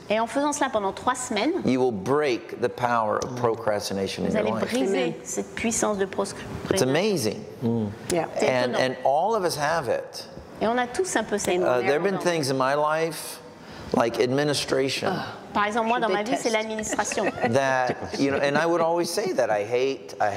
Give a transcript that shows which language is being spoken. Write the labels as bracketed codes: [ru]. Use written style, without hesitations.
[fr] Et en faisant cela pendant 3 semaines. [en] You will break the power of procrastination [fr] vous [en] in your life. [fr] Vous allez briser cette puissance de procrastination. [en] It's amazing. Yeah. And all of us have it. [fr] Et on a tous un peu ça. [en] There have been things in my life, like administration. [fr] Par exemple, moi, dans ma vie, c'est l'administration. [en] That, you know, and I would always say that I hate.